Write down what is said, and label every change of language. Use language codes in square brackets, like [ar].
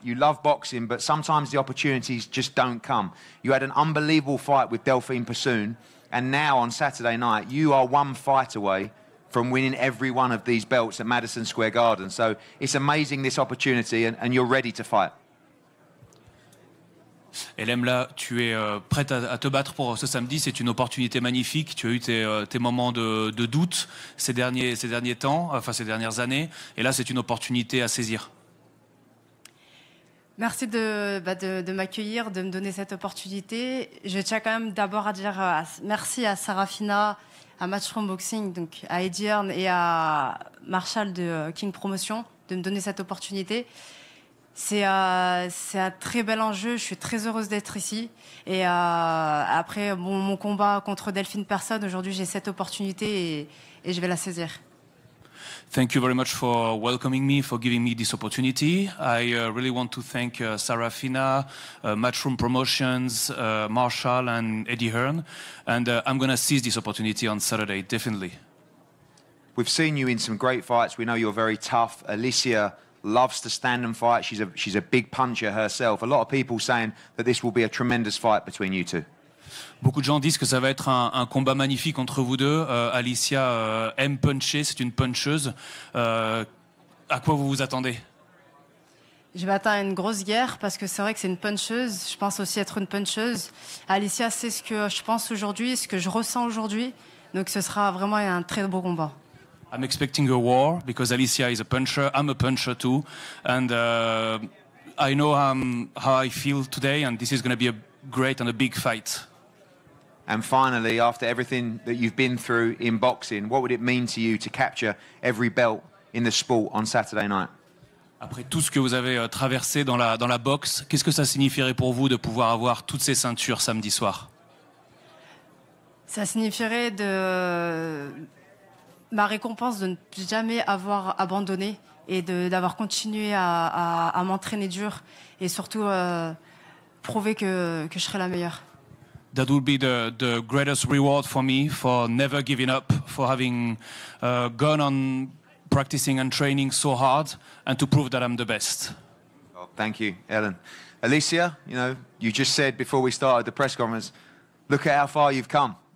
[en] You love boxing, but sometimes the opportunities just don't come. You had an unbelievable fight with Delphine Passoon, and now on Saturday night, you are one fight away from winning every one of these belts at Madison Square Garden. So it's amazing, this opportunity, and you're ready to fight. [fr] Elhem, là, tu es prête à te battre pour ce samedi. C'est une opportunité magnifique. Tu as eu tes moments de doute ces dernières années. Et là, c'est une opportunité à saisir. Merci de m'accueillir, de me donner cette opportunité. Je tiens quand même d'abord à dire merci à Sarafina, à Matchroom Boxing, donc à Eddie Hearn et à Marshall de King Promotion de me donner cette opportunité. C'est un très bel enjeu. Je suis très heureuse d'être ici. Et après mon combat contre Delphine Persson, aujourd'hui j'ai cette opportunité et je vais la saisir. [en] Thank you very much for welcoming me, for giving me this opportunity. I really want to thank Sarafina, Matchroom Promotions, Marshall and Eddie Hearn. And I'm going to seize this opportunity on Saturday, definitely. We've seen you in some great fights. We know you're very tough. Alicia loves to stand and fight. She's a big puncher herself. A lot of people saying that this will be a tremendous fight between you two. [fr] Beaucoup de gens disent que ça va être un combat magnifique entre vous deux. Alicia aime puncher, c'est une puncheuse. À quoi vous vous attendez? Je m'attends à une grosse guerre parce que c'est vrai que c'est une puncheuse. Je pense aussi être une puncheuse. Alicia sait ce que je pense aujourd'hui, ce que je ressens aujourd'hui. Donc ce sera vraiment un très beau combat. [en] I'm expecting a war because Alicia is a puncher. I'm a puncher too. And I know how I feel today, and this is going to be a great and a big fight. And finally, after everything that you've been through in boxing, what would it mean to you to capture every belt in the sport on Saturday night? [fr] Après tout ce que vous avez traversé dans la boxe, qu'est-ce que ça signifierait pour vous de pouvoir avoir toutes ces ceintures samedi soir? Ça signifierait de ma récompense de ne jamais avoir abandonné et d'avoir continué à m'entraîner dur et surtout prouver que je serai la meilleure. [en] That would be the greatest reward for me, for never giving up, for having gone on practicing and training so hard and to prove that I'm the best. Oh, thank you, Ellen. Alicia, you know, you just said before we started the press conference, look at how far you've come.